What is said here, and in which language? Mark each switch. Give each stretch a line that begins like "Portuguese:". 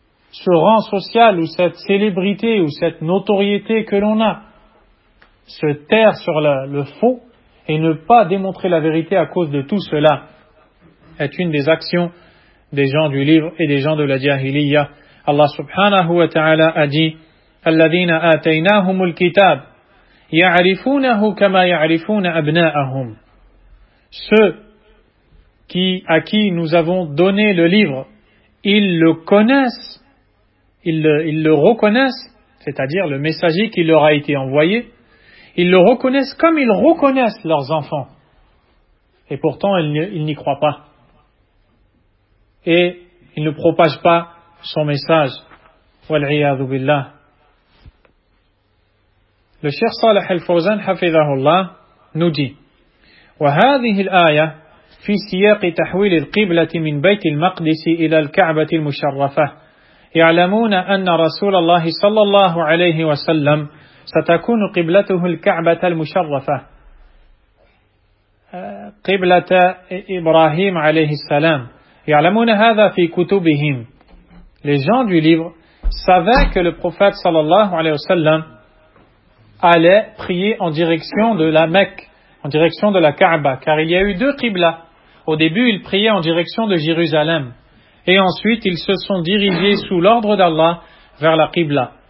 French: ce rang social ou cette célébrité ou cette notoriété que l'on a se taire sur le faux et ne pas démontrer la vérité à cause de tout cela est une des actions des gens du livre et des gens de la jahiliya.
Arabic: Allah subhanahu wa ta'ala
French: a dit
Arabic: الَّذِينَ آتَيْنَاهُمُ الْكِتَابِ يَعْرِفُونَهُ كَمَا يَعْرِفُونَ أَبْنَاءَهُمْ.
French: Ceux qui, à qui nous avons donné le livre, ils le connaissent, ils le reconnaissent, c'est-à-dire le messager qui leur a été envoyé, ils le reconnaissent comme ils reconnaissent leurs enfants. Et pourtant, ils n'y croient pas. Et ils ne propagent pas son message.
Arabic: وَالْعِيَاذُ بِاللَّهِ.
French: Le Cheikh Salih al-Fawzan, hafidhahullah, nous dit
Arabic: وهذه الآية في سياق تحويل القبلة من بيت المقدس إلى الكعبة المشرفة يعلمون أن رسول الله صلى الله عليه وسلم ستكون قبلته الكعبة المشرفة قبلة إبراهيم عليه السلام يعلمون هذا في كتبهم.
French: Les gens du livre savaient que le prophète
Arabic: صلى الله عليه وسلم
French: allait prier en direction de la Mecque, en direction de la Kaaba, car il y a eu deux qiblas. Au début, ils priaient en direction de Jérusalem. Et ensuite, ils se sont dirigés sous l'ordre d'Allah vers la qibla.